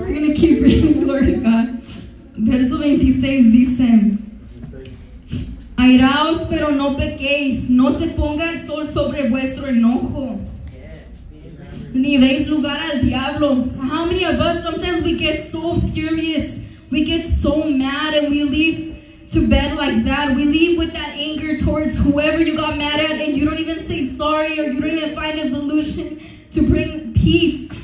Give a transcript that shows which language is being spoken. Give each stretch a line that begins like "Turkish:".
English: We're going to keep reading, glory to God.
Spanish: Verso 26 dice: Airaos, pero no pequéis, no se ponga el sol sobre vuestro enojo. Ni deis lugar al diablo.
English: How many of us, sometimes we get so furious, we get so mad, and we leave to bed like that. We leave with that anger towards whoever you got mad at, and you don't even say sorry, or you don't even find a solution to bring peace.